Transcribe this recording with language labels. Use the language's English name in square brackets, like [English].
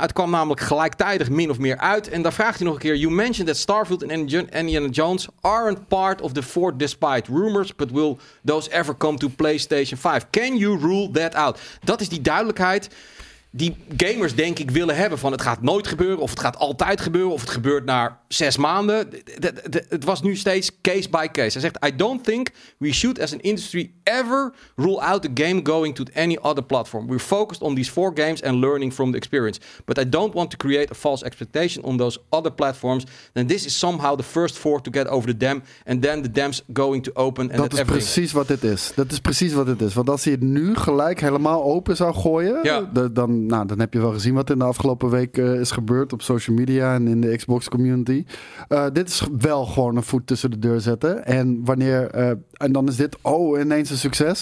[Dutch] Het kwam namelijk gelijktijdig min of meer uit. En daar vraagt hij nog een keer. [English] You mentioned that Starfield en Indiana Jones aren't part of the four despite rumors. But will those ever come to PlayStation 5? Can you rule that out? [Dutch] Dat is die duidelijkheid die gamers denk ik willen hebben van het gaat nooit gebeuren of het gaat altijd gebeuren of het gebeurt na 6 maanden. Het was nu steeds case by case. Hij zegt, [English] I don't think we should as an industry ever rule out the game going to any other platform. We're focused on these 4 games and learning from the experience. But I don't want to create a false expectation on those other platforms. And this is somehow the first 4 to get over the dam and then the dam's going to open. [Dutch] Dat is precies wat het is. Dat is precies wat het is. Want als hij het nu gelijk helemaal open zou gooien, dan nou, dan heb je wel gezien wat in de afgelopen week is gebeurd op social media en in de Xbox community. Dit is wel gewoon een voet tussen de deur zetten. En wanneer en dan is dit ineens een succes.